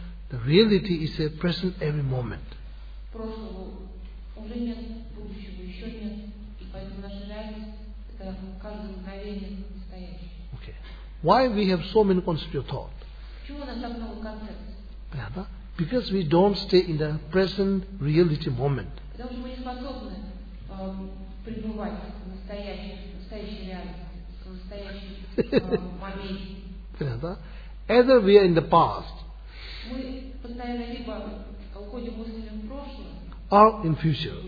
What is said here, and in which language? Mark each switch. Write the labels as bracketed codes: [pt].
[en] The reality is a present every moment. [ru] Прошлого уже нет, будущего еще нет. И поэтому наша реальность это каждое мгновение настоящее. [en] Okay. Why we have so many concepts of thought? [ru] Почему у нас так много концепций? Понятно? [en] Because we don't stay in the present reality moment. [ru] Потому что мы не способны пребывать в настоящей реальности, в настоящем моменте. Понятно? [en] Either we are in the past. [ru] Мы постоянно либо уходим мыслями в прошлое, [en] or in future.